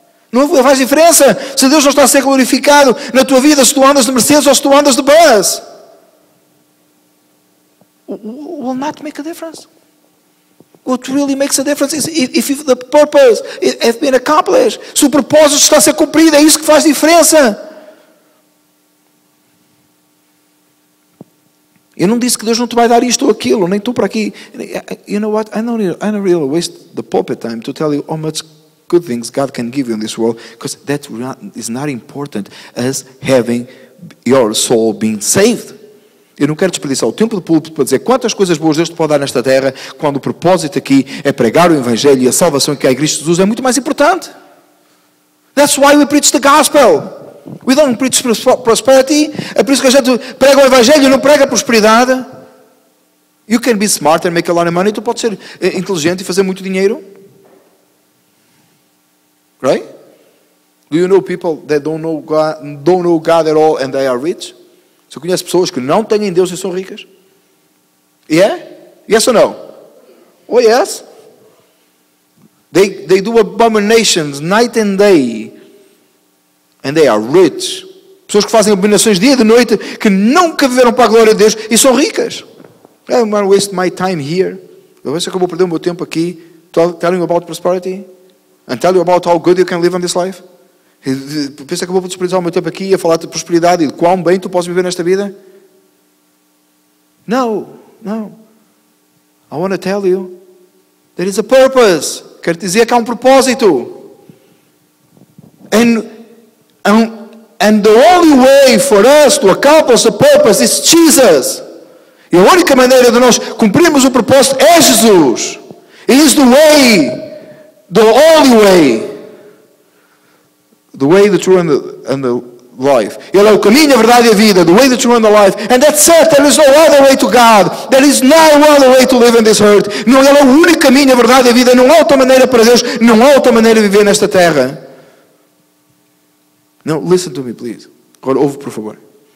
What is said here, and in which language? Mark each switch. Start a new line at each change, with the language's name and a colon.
Portuguese: Não faz diferença se Deus não está a ser glorificado na tua vida, se tu andas de Mercedes ou se tu andas de bus.
English: Will not make a difference. What really makes a difference is if the purpose has been accomplished.
Portuguese: Se o propósito está a ser cumprido, é isso que faz diferença. Eu não disse que Deus não te vai dar isto ou aquilo, nem tu para aqui.
English: You know what? I don't really waste the pulpit time to tell you how much good things God can give you in this world, because that is not important as having your soul being saved.
Portuguese: Eu não quero desperdiçar o tempo do púlpito para dizer quantas coisas boas Deus te pode dar nesta terra, quando o propósito aqui é pregar o Evangelho e a salvação que há em Cristo Jesus, é muito mais importante.
English: That's why we preach the gospel. We don't preach prosperity.
Portuguese: É por isso que a gente prega o Evangelho e não prega a prosperidade.
English: You can be smart and make a lot of money.
Portuguese: Tu podes ser inteligente e fazer muito dinheiro.
English: Right? Do you know people that don't know God at all and they are rich?
Portuguese: Você conhece pessoas que não têm Deus e são ricas?
English: Yeah? Yes or no? Oh yes? They do abominations night and day. And they are rich.
Portuguese: Pessoas que fazem abominações dia e noite, que nunca viveram para a glória de Deus e são ricas.
English: I'm going to waste my time here.
Portuguese: Talvez eu vou perder o meu tempo aqui
English: telling you about prosperity and tell you about how good you can live in this life.
Portuguese: Pensa que eu vou desperdiçar o meu tempo aqui a falar de prosperidade e de quão bem tu podes viver nesta vida? Não.
English: I want to tell you there is a purpose.
Portuguese: Quero dizer que há um propósito.
English: And the only way for us to accomplish the purpose is Jesus.
Portuguese: E a única maneira de nós cumprirmos o propósito é Jesus.
English: He is the way, the only way. The way, the truth, and the life.
Portuguese: Ele é o caminho, a verdade e a vida.
English: The way, the truth, and the life. And that's it. There is no other way to God. There is no other way to live in this earth.
Portuguese: Não, ele é o único caminho, a verdade e a vida. Não há outra maneira para Deus. Não há outra maneira de viver nesta terra.
English: Now, listen to me, please.
Portuguese: Agora, ouve, por favor.